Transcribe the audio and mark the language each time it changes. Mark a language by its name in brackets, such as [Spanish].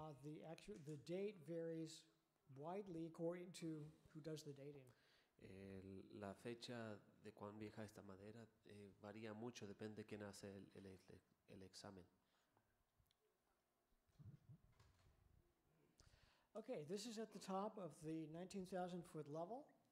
[English] The date varies widely according to who does the dating. [Spanish] La fecha de cuán vieja esta madera varía mucho, depende quién hace el examen. [English] Okay, this is at the top of the 19,000 foot level.